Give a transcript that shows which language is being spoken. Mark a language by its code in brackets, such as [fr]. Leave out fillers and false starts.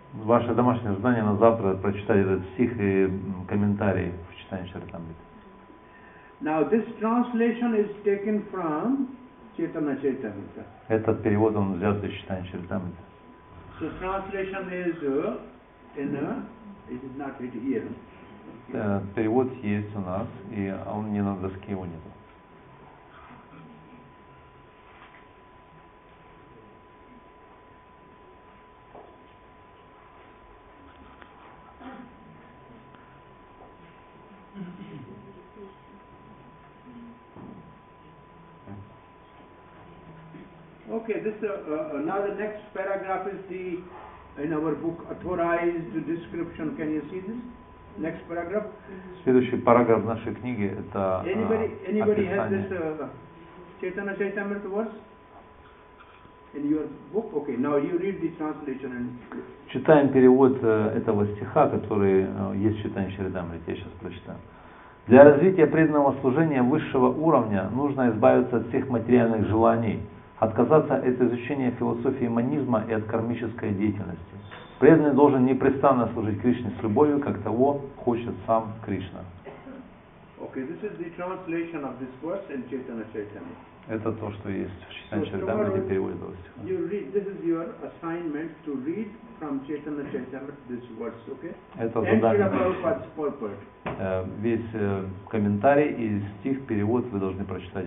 [ru] Ваше домашнее задание на завтра прочитать этот стих и комментарии в читании Чаритамрита. [en] Now this translation is taken from Chaitanya Charitamrita. [ru] Этот перевод он взят из читания Чаритамрита. [en] So translation is in it is not written here. [ru] Перевод есть у нас, и он не на доске его нету. [en] Okay, this now the next paragraph is the in our book authorized description. Can you see this? Next paragraph. [ru] Следующий параграф нашей книги это описание. [en] Anybody has this Chaitanya Charitamrita verse? In your book? Okay, now you read the translation and... [ru] Читаем перевод этого стиха, который есть в Чайтанья Чаритамрите. Я сейчас прочитаю. Для развития преданного служения высшего уровня нужно избавиться от всех материальных желаний, отказаться от изучения философии монизма и от кармической деятельности. Преданный должен непрестанно служить Кришне с любовью, как того хочет сам Кришна. [en] Okay, this is the translation of this verse in Chaitanya Charitamrita. [ru] Это то, что есть в Чайтанья Чаритамрите, переводит этого стиха. [en] You read, this is your assignment to read from Chaitanya Charitamrita this verse, okay? [ru] Это задание. [en] And Prabhupada's purport. [ru] Весь комментарий и стих, перевод вы должны прочитать.